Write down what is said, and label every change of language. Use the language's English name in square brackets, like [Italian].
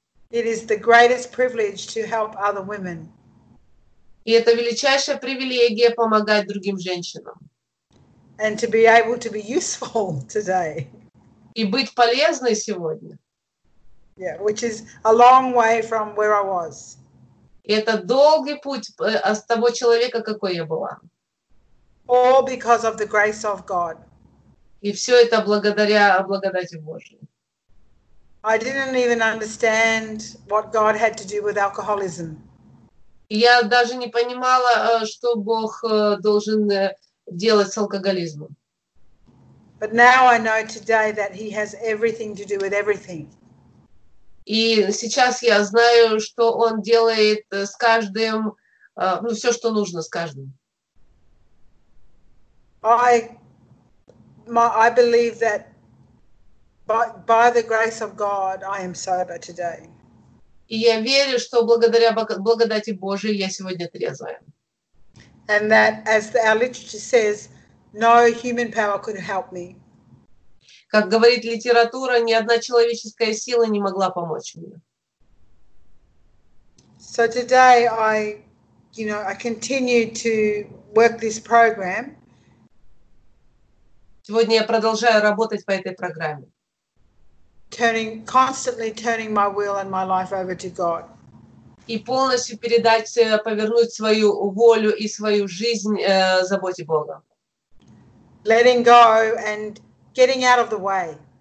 [English] It is the greatest privilege to help other women. [Russian] И это величайшая привилегия помогать другим женщинам. [English] And to be able to be useful today. [Russian] И быть полезной сегодня. [English] Yeah, which is a long way from where I was. [Russian] Это долгий путь с того человека, какой я была. [English] All because of the grace of God. [Russian] И все это благодаря благодати Божьей. [English] I didn't even understand what God had to do with alcoholism. [Russian] Я даже не понимала, что Бог должен делать с алкоголизмом. [English] But now I know today that He has everything to do with everything. [Russian] И сейчас я знаю, что Он делает с каждым, ну, все, что нужно с каждым. [English] I believe that by the grace of God, I am sober today. [Russian] И я верю, что благодаря благодати Божией я сегодня трезвая. [English] And that, as our literature says, no human power could help me. [Russian] Как говорит литература, ни одна человеческая сила не могла помочь мне. [English] So today I, you know, I continue to work this program. [Russian] Сегодня я продолжаю работать по этой программе. [English] Turning my will and my life over to God. [Russian] И полностью передать, повернуть свою волю и свою жизнь заботе Бога. [English] Letting go and getting out of the way.